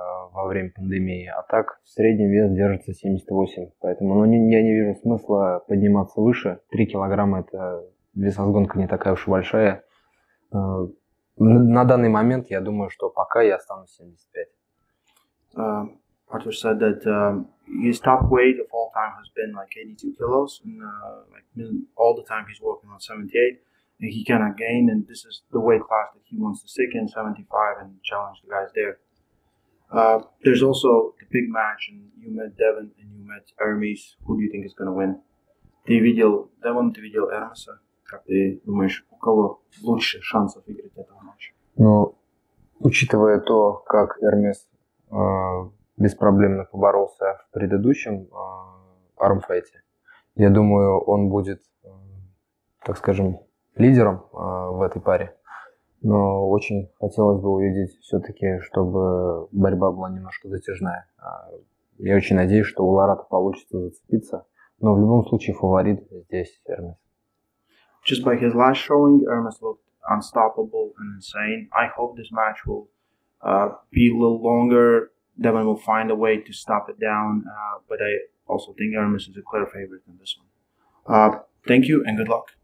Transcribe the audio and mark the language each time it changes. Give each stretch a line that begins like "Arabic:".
Russian: Во время пандемии, а так в среднем вес держится 78, поэтому я не вижу смысла подниматься выше. 3 килограмма — это весозгонка не такая уж и большая. На данный момент я думаю, что пока я останусь 75.
English: Arthur said that his top weight of all time has been like 82 kilos, and all the time he's working on 78, and he cannot gain, and this is the weight class that he wants to stick in, 75, and challenge the guys there. There's also the big match, and you met Devon and you met Hermes. Who do you think is going to win?
Russian: Ты видел Девон, ты видел Эрмеса. Как ты думаешь, у кого лучше шансов выиграть этот матч? Ну, учитывая то, как Эрмес беспроблемно поборолся в предыдущем армфайте, я думаю, он будет, так скажем, лидером в этой паре. Но очень хотелось бы увидеть все-таки, чтобы борьба была немножко затяжная. Я очень надеюсь, что у Ларата получится зацепиться. Но в любом случае фаворит здесь Эрмес.
English: Just by his last showing, Эрмес looked unstoppable and insane. I hope this match will be a little longer. Devon will find a way to stop it down. But I also think Эрмес is a clear favorite in this one. Thank you and good luck.